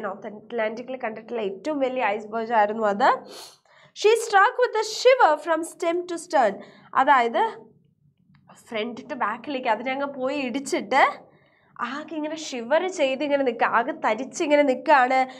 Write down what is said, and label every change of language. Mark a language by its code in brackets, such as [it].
[ml] North അറ്റ്ലാന്റിക്കിൽ കണ്ടിട്ടുള്ള ഏറ്റവും വലിയ ഐസ്ബർഗ് ആയിരുന്നു അത്. [en] She struck with a shiver from stem to stern. [ml] Adayathu front to ബാക്കിലേക്ക് അതിനങ്ങ് പോയി ഇടിച്ചിട്ട് ആകെ ഇങ്ങനെ ഷിവർ ചെയ്ത് ഇങ്ങനെ നിൽക്കുക, ആകെ തരിച്ച് ഇങ്ങനെ നിൽക്കുകയാണ്.